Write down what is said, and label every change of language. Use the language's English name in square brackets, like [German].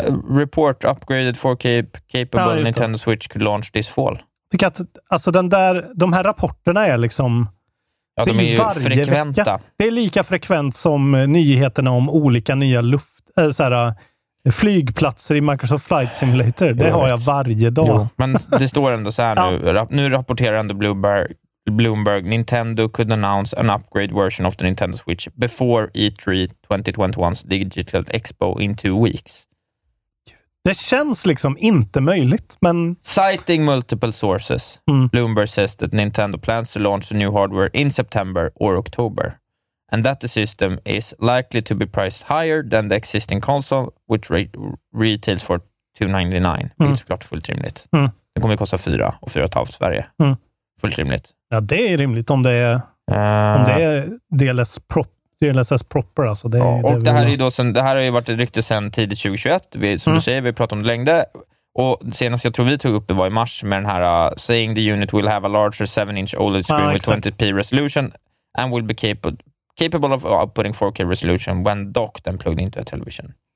[English] Report upgraded 4K capable Nintendo Switch could launch this fall. [Swedish] Tycker att, alltså den där, de här rapporterna är liksom, ja, de är ju frekventa. Vecka. Det är lika frekvent som nyheterna om olika nya luft, så här, flygplatser i Microsoft Flight Simulator. Det har jag varje dag. Jo, men det står ändå så här nu. Nu rapporterar ändå [English] Bloomberg, Nintendo could announce an upgrade version of the Nintendo Switch before E3 2021's Digital Expo in 2 weeks. [Swedish] Det känns liksom inte möjligt, men... [English] Citing multiple sources, Bloomberg says that Nintendo plans to launch a new hardware in September or October, and that the system is likely to be priced higher than the existing console, which retails for $299. [Swedish] Det är såklart fullt rimligt. Den kommer att kosta 4 och 4,5 Sverige. Fullt rimligt. Ja, det är rimligt om det är, om det är DLSS proper. Alltså det, ja, och det, här är då sen, det här har ju varit riktigt sen tidigt 2021. Vi, som du säger, vi pratade om det längre. Och senast jag tror vi tog upp det var i mars med den här [English] saying the unit will have a larger 7-inch OLED screen with 20p resolution and will be capable of outputting 4K resolution when docked and plugged into a television.